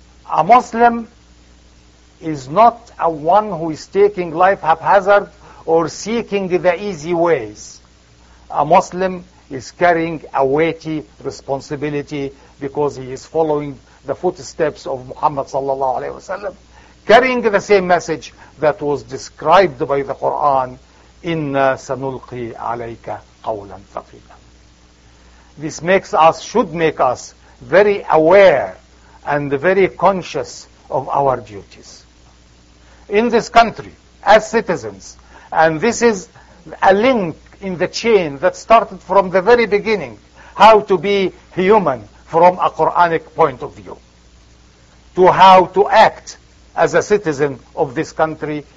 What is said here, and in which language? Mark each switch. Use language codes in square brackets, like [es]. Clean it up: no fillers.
[en] A Muslim is not a one who is taking life haphazard or seeking the easy ways. A Muslim is carrying a weighty responsibility because he is following the footsteps of Muhammad sallallahu alaihi wasallam, carrying the same message that was described by the Quran [ar] إنا سنلقي عليك قولا ثقيلا. [en] This makes us, should make us very aware and very conscious of our duties. In this country, as citizens, and this is a link in the chain that started from the very beginning, how to be human from a Quranic point of view, to how to act as a citizen of this country.